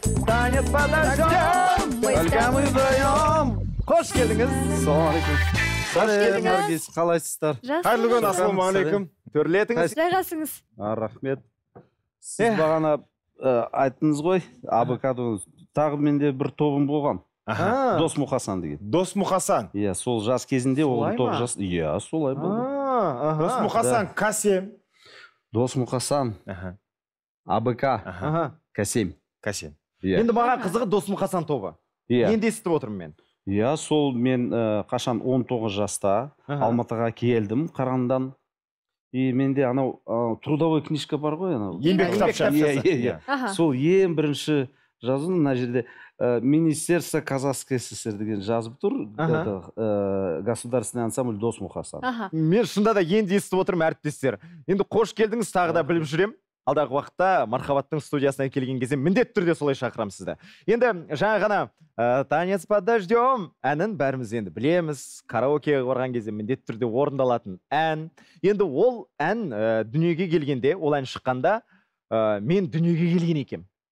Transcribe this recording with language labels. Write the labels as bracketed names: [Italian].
[Russian] Танец под дождем, только мы вдвоем. [Kazakh] Қош келдіңіз. Наргиз, қалайсыздар? Қайырлы күн, ассалаумағалейкум. Төрлетіңіз. Жайғасыңыз. Рахмет. Сіз бағана айттыңыз ғой, АБК тобыңыз. Тағы менде бір тобым болған. Дос Мұқасан деген. Дос Мұқасан. Иә, сол жас кезінде ол топ жас. Иә, солай болды. Дос Мұқасан, Касем. Дос Мұқасан. АБК. Касем. Касем. Енді маған қызығы Дос Мұқасан тобы. Иә. Енді естіп отырмын мен. Иә, сол мен қашан 19 жаста Алматыға келдім Қарағандыдан. [Russian] И [Kazakh] менде анау [Russian] трудовой книжка [Kazakh] бар ғой, анау. Еңбек кітапшасы. Иә. Сол ең бірінші жазуым мына жерде [Russian] Министерство Казахской ССР [Kazakh] деген жазып тұр. [Russian] Государственный ансамбль Дос Мұқасан. [Kazakh] Мен шында да енді естіп отырмын, әріптестер. Енді қош келдіңіз, тағы да біліп жүрем. Алдағы уақытта Мархабаттың студиясына келген кезде міндетті түрде солай шақырам сізді. Енді жаңа ғана «Танец под дождем» әнін бәріміз енді білеміз. Караокеге барған кезде міндетті түрде орындалатын ән. Енді ол ән дүниеге келгенде, ол ән шыққанда мен дүниеге келген екем.